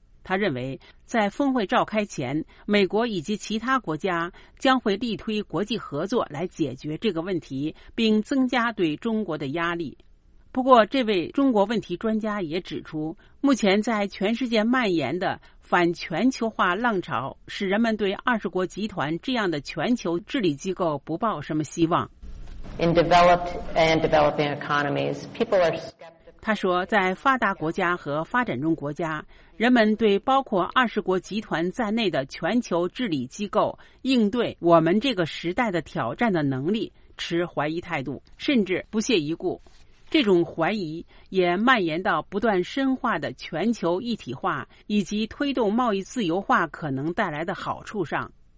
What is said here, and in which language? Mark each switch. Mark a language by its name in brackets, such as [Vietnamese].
[Chinese] 他认为，在峰会召开前，美国以及其他国家将会力推国际合作来解决这个问题，并增加对中国的压力。不过，这位中国问题专家也指出，目前在全世界蔓延的反全球化浪潮使人们对二十国集团这样的全球治理机构不抱什么希望。 [English] In developed and developing economies, people are skeptical. [Chinese] 他说，在发达国家和发展中国家，人们对包括二十国集团在内的全球治理机构应对我们这个时代的挑战的能力持怀疑态度，甚至不屑一顾。这种怀疑也蔓延到不断深化的全球一体化以及推动贸易自由化可能带来的好处上。